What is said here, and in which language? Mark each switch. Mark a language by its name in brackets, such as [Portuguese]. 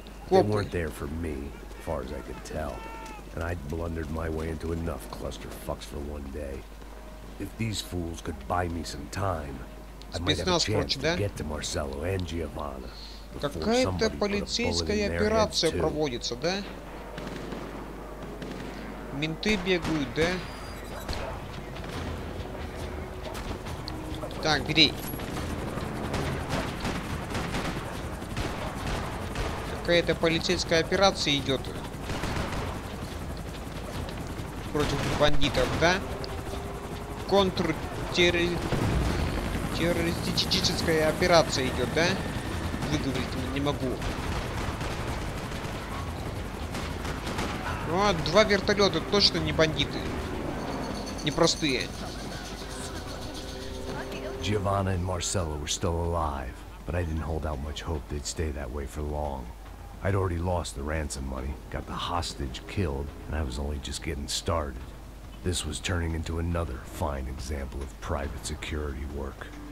[English] They weren't there for me, as far as I could tell. And I'd blundered my way into enough clusterfucks for one day. If these fools could buy me some time, I might have a chance to get to Marcelo and Giovanna. [Russian] Какая-то полицейская операция проводится, да? Менты бегают, да? Так, бери. Какая-то полицейская операция идет против бандитов, да? Контртеррористическая операция идет, да? Выговорить не могу. О, два вертолета, точно не бандиты. непростые. [English] Giovanna and Marcella were still alive, but I didn't hold out much hope they'd stay that way for long. I'd already lost the ransom money, got the hostage killed, and I was only just getting started. This was turning into another fine example of private security work.